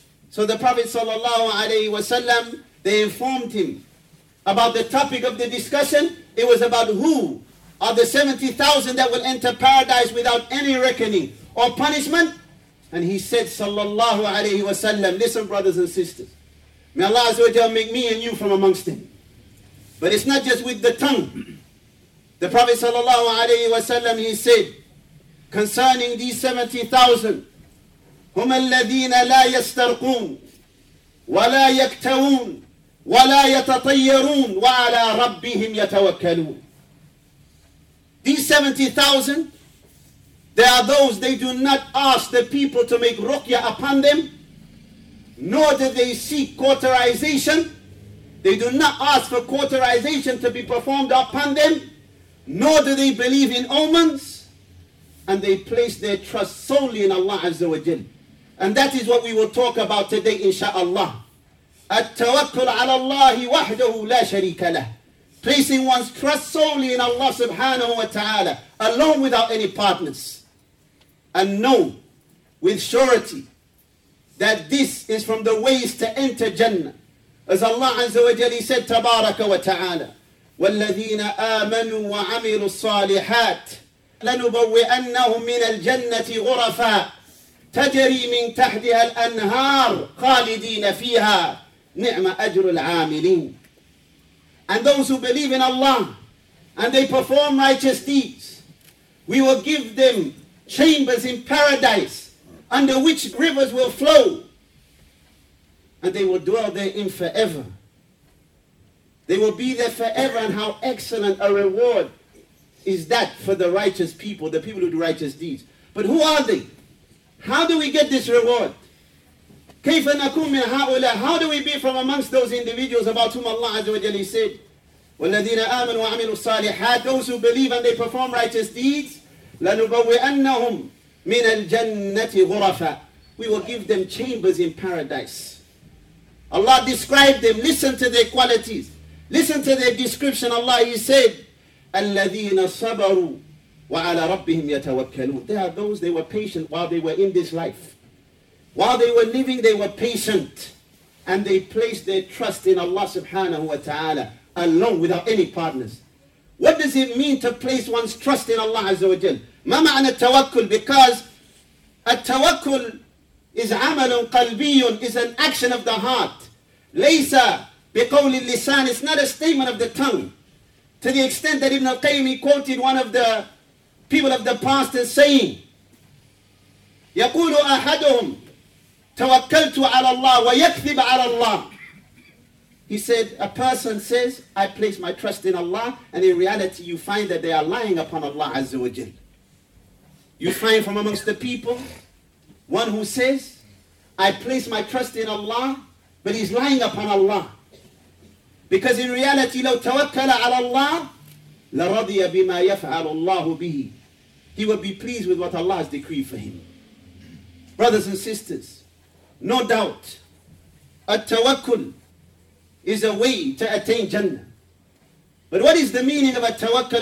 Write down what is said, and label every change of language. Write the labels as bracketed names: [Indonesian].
[English] So the Prophet sallallahu alayhi wa sallam, they informed him about the topic of the discussion. It was about who are the 70,000 that will enter paradise without any reckoning or punishment? And he said, sallallahu alayhi wa sallam, listen brothers and sisters, may Allah Azza wa Jalla make me and you from amongst them. But it's not just with the tongue. The Prophet sallallahu alayhi wa sallam, he said, concerning these 70,000, [Arabic] هُمَ الَّذِينَ لَا يَسْتَرْقُونَ وَلَا يَكْتَوُونَ وَلَا يَتَطَيَّرُونَ وَعَلَىٰ رَبِّهِمْ يَتَوَكَّلُونَ. [English] These 70,000, they are those, they do not ask the people to make ruqya upon them, nor do they seek cauterization. They do not ask for cauterization to be performed upon them, nor do they believe in omens, and they place their trust solely in Allah Azza wa Jal. And that is what we will talk about today, insha'Allah. [Arabic] At-tawakkul ala Allahi wahdahu la sharika lah. [English] Placing one's trust solely in Allah subhanahu wa ta'ala, alone without any partners. And know with surety that this is from the ways to enter Jannah. As Allah Azza wa Jalla said, [Arabic] Tabaraka wa ta'ala, وَالَّذِينَ آمَنُوا وَعَمِلُوا الصَّالِحَاتِ لَنُبَوِّئَنَّهُمْ مِنَ الْجَنَّةِ غُرَفًا تَجَرِي مِنْ تَحْدِهَا الْأَنْهَارِ خَالِدِينَ فِيهَا نِعْمَ أَجْرُ الْعَامِلِينَ. [English] And those who believe in Allah and they perform righteous deeds, we will give them chambers in paradise under which rivers will flow, and they will dwell therein forever. They will be there forever. And how excellent a reward is that for the righteous people, the people who do righteous deeds. But who are they? How do we get this reward? [Arabic] كَيْفَ نَكُمْ مِنْ هَؤُلَىٰ. [English] How do we be from amongst those individuals about whom Allah Azza wa Jalla said, [Arabic] وَالَّذِينَ آمَنُوا وَعَمِلُوا الصَّالِحَاتِ. [English] Those who believe and they perform righteous deeds, [Arabic] لَنُبَوِّئَنَّهُمْ مِنَ الْجَنَّةِ غُرَفًا. [English] We will give them chambers in paradise. Allah described them. Listen to their qualities. Listen to their description. Allah, He said, [Arabic] الَّذِينَ صَبَرُوا وَعَلَىٰ رَبِّهِمْ يَتَوَكَّلُونَ. [English] They are those, they were patient while they were in this life. While they were living, they were patient. And they placed their trust in Allah subhanahu wa ta'ala, alone without any partners. What does it mean to place one's trust in Allah Azza wa Jal? [Arabic] ما معنى التوكل? [English] Because التوكل is [Arabic] عمل قلبي, [English] is an action of the heart. [Arabic] ليس بقول اللسان, [English] it's not a statement of the tongue. To the extent that Ibn al-Qayyim, he quoted one of the people of the past and saying, [Arabic] يقول أحدهم توكلت على الله [English] ويكذب على الله. He said, a person says, I place my trust in Allah, and in reality you find that they are lying upon Allah Azza wa Jal. You find from amongst the people, one who says, I place my trust in Allah, but he's lying upon Allah. Because in reality, [Arabic] لو توكل على الله لرضي بما يفعل الله به. [English] He would be pleased with what Allah has decreed for him. Brothers and sisters, no doubt, التوكل is a way to attain Jannah. But what is the meaning of التوكل?